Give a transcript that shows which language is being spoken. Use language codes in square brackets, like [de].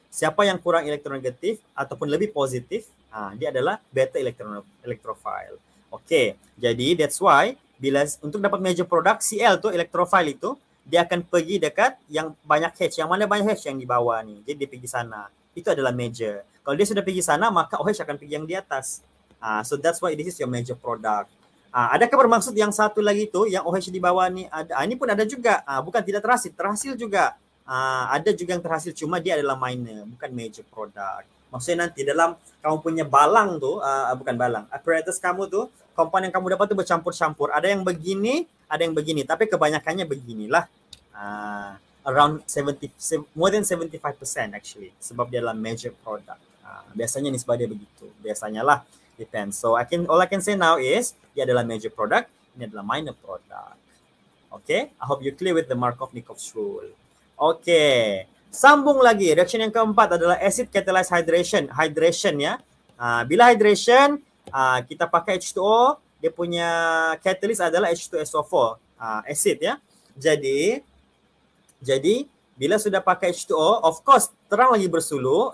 [ms] Siapa yang kurang elektronegatif ataupun lebih positif, dia adalah [en] better electrophile. [ms] Okay. Jadi [en] that's why [ms] bila untuk dapat major product, Cl tu electrophile itu, dia akan pergi dekat yang banyak H. Yang mana banyak H? Yang di bawah ni. Jadi dia pergi sana. Itu adalah major. Kalau dia sudah pergi sana, maka OH akan pergi yang di atas. [en] So that's why this is your major product. [ms] Adakah bermaksud yang satu lagi itu, yang OH di bawah ni ada, ini pun ada juga. Bukan tidak terhasil, terhasil juga. Ada juga yang terhasil, cuma dia adalah minor, bukan major product. Maksudnya nanti dalam kamu punya balang tu, bukan balang, apparatus kamu tu, komponen yang kamu dapat tu bercampur-campur. Ada yang begini, ada yang begini, tapi kebanyakannya beginilah. [en] Around 70, more than 75% actually, [ms] sebab dia adalah [en] major product. [ms] Biasanya nisbah dia begitu, biasanya lah. Depends. [en] So I can, all I can say now is, [ms] dia adalah major product, ini adalah minor product. [en] Okay, I hope you clear with the Markovnikov's rule. [ms] Okay, sambung lagi. Reaction yang keempat adalah acid catalyzed hydration. Hydration ya. Bila hydration, kita pakai H2O, dia punya catalyst adalah H2SO4, acid ya. Jadi Bila sudah pakai H2O, [en] of course [ms] terang lagi bersulu.